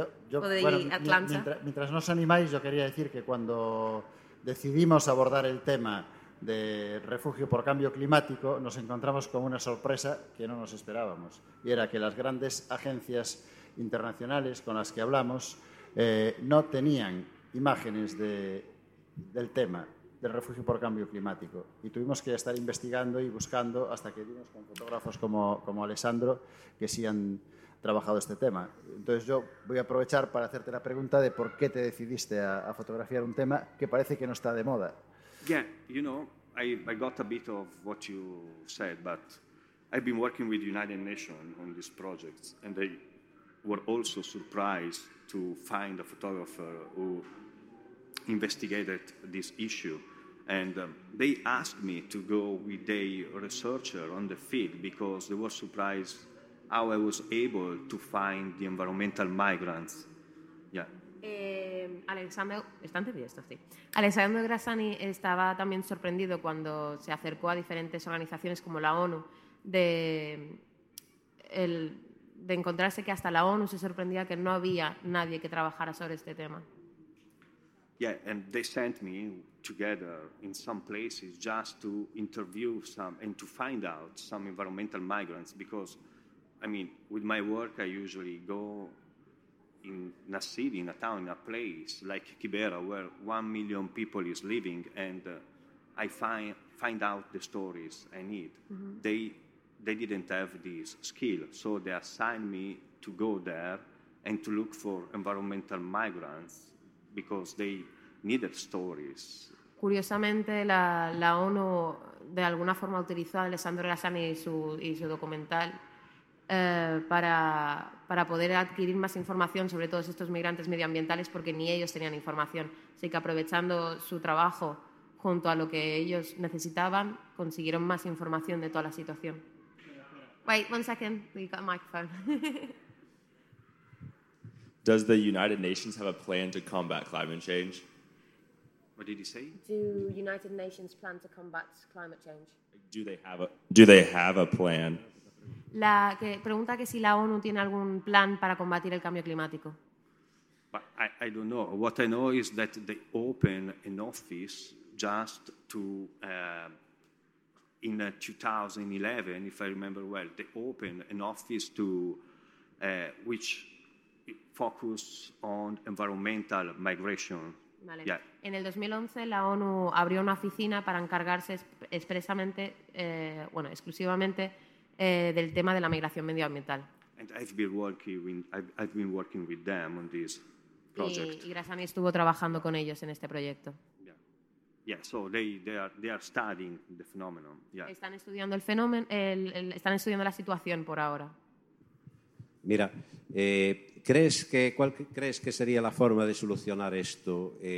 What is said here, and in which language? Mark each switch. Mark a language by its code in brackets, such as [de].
[es] Yo, bueno, mientras no os animáis, yo quería decir que cuando decidimos abordar el tema de refugio por cambio climático, nos encontramos con una sorpresa que no nos esperábamos, y era que las grandes agencias internacionales con las que hablamos no tenían imágenes del tema del refugio por cambio climático, y tuvimos que estar investigando y buscando hasta que dimos con fotógrafos como Alessandro, que sí han trabajado este tema. Entonces yo voy a aprovechar para hacerte la pregunta de por qué te decidiste a fotografiar un tema que parece que no está de moda. [en] Yeah, you know, I got a bit of what you said, but I've been working with the United Nations on these projects, and they were also surprised to find a photographer who investigated this issue. And they asked me to go with a researcher on the field because they were surprised how I was able to find the environmental migrants. Yeah. [es] Alessandro Grassani estaba también sorprendido cuando se acercó a diferentes organizaciones como la ONU de encontrarse que hasta la ONU se sorprendía que no había nadie que trabajara sobre este tema. [en] Yeah, and they sent me together in some places just to interview some and to find out some environmental migrants because, I mean, with my work I usually go in a city, in a town, in a place like Kibera, where 1 million people is living, and I find out the stories I need. Mm-hmm. They didn't have this skill, so they assigned me to go there and to look for environmental migrants because they needed stories. [es] Curiosamente, la ONU de alguna forma utilizó a Alessandro Grassani y su documental para poder adquirir más información sobre todos estos migrantes medioambientales, porque ni ellos tenían información. Así que aprovechando su trabajo junto a lo que ellos necesitaban, consiguieron más información de toda la situación. [en] Wait, one second, we got a microphone. Does the United Nations have a plan to combat climate change? What did you say? Do United Nations plan to combat climate change? Do they have a plan? [es] La que pregunta que si la ONU tiene algún plan para combatir el cambio climático. [en] I don't know. What I know is that they open an office just to in 2011, if I remember well, they open an office to which focus on environmental migration. Vale. Yeah. [es] En el 2011 la ONU abrió una oficina para encargarse expresamente, bueno, exclusivamente del tema de la migración medioambiental. [en] And I've been working with them on this project. [es] Y Grassani estuvo trabajando con ellos en este proyecto. [en] Yeah. Yeah, so they are studying the phenomenon. Yeah. [es] Están estudiando el fenómeno, están estudiando la situación por ahora. Mira, ¿cuál crees que sería la forma de solucionar esto?